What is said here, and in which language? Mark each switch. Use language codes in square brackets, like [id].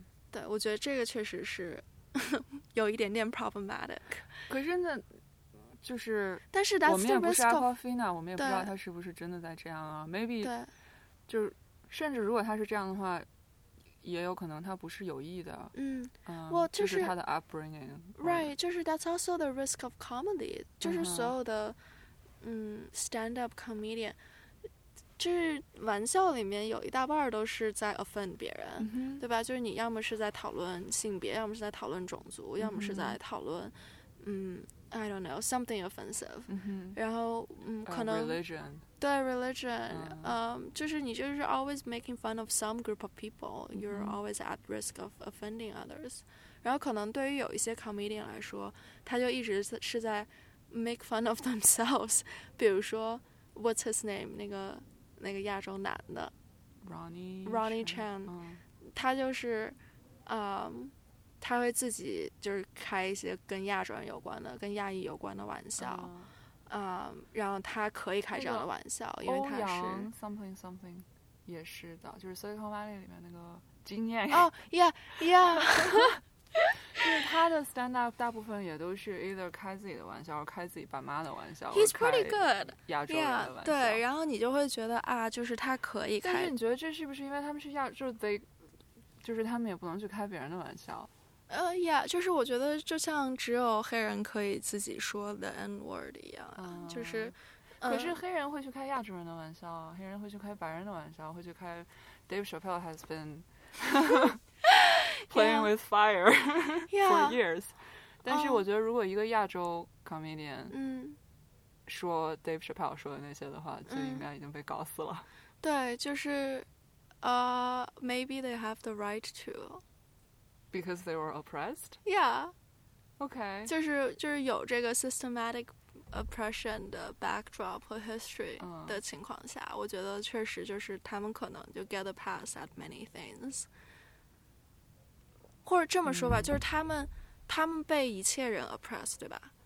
[zh] 对，我觉得这个确实是有一点点 problematic。可是呢，就是但是我们也不是 Aquafina， 我们也不知道他是不是真的在这样啊。 maybe 对，就是甚至如果他是这样的话也有可能他不是有意的。嗯， [en] well, [zh] 就是他的 upbringing。 [en] Right, 就是 that's also the risk of comedy. [zh] 就是所有的，嗯 ，stand up comedian， 就是玩笑里面有一大半都是在 offend 别人，对吧？就是你要么是在讨论性别，要么是在讨论种族，要么是在讨论，嗯 ， I don't know something offensive。然后，可能。 [en] Religion. [zh] 对 [en] religion、就是你就是 always making fun of some group of people you're always at risk of offending others [zh] 然后可能对于有一些 comedian 来说他就一直是在 [en] make fun of themselves [zh] 比如说 [en] what's his name [zh] 那个亚洲男的 [en] Ronnie Chan、 [zh] 他就是、他会自己就是开一些跟亚洲人有关的跟亚裔有关的玩笑、然后他可以开这样的玩笑、那个、因为他是欧阳 something something 也是的就是 Silicon Valley 里面那个经验 [en] 哦、yeah [zh] 就是他的 stand up 大部分也都是 either 开自己的玩笑或开自己爸妈的玩笑 [en] he's pretty good [zh] 亚洲人的玩笑 yeah, 对然后你就会觉得啊就是他可以开但是你觉得这是不是因为他们是亚洲 they, 就是他们也不能去开别人的玩笑 yeah, 就是我觉得就像只有黑人可以自己说 the N-word 一样、就是可是黑人会去开亚洲人的玩笑、黑人会去开白人的玩笑会去开 [en] Dave Chappelle has been playing yeah, with fire yeah, for years [zh] 但是我觉得如果一个亚洲 comedian 说 Dave Chappelle 说的那些的话、就应该已经被搞死了对就是 [en] maybe they have the right to Because they were oppressed? Yeah. Okay. [zh] 就是有这个 systematic oppression 的 backdrop 和 history 的情况下、我觉得确实就是他们可能就 [en] get a pass at many things. [zh] 或者这么说吧、就是他们被一切人 oppressed, 对吧？